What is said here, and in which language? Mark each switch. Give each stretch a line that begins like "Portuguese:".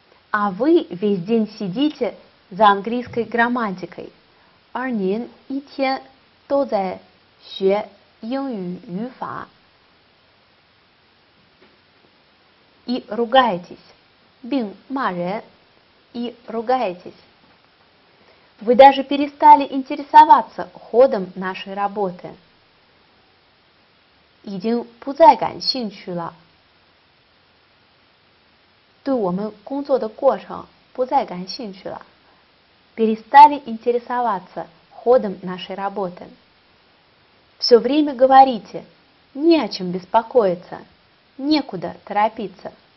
Russian: А вы весь день сидите за английской грамматикой.
Chinese: 而您一天都在学英语语法。
Russian: И ругаетесь.
Chinese: 并骂人.
Russian: И ругаетесь. Вы даже перестали интересоваться ходом нашей работы.
Chinese: 已经不再感兴趣了. 对我们工作的过程不再感兴趣了.
Russian: Перестали интересоваться ходом нашей работы. Все время говорите, не о чем беспокоиться, некуда торопиться.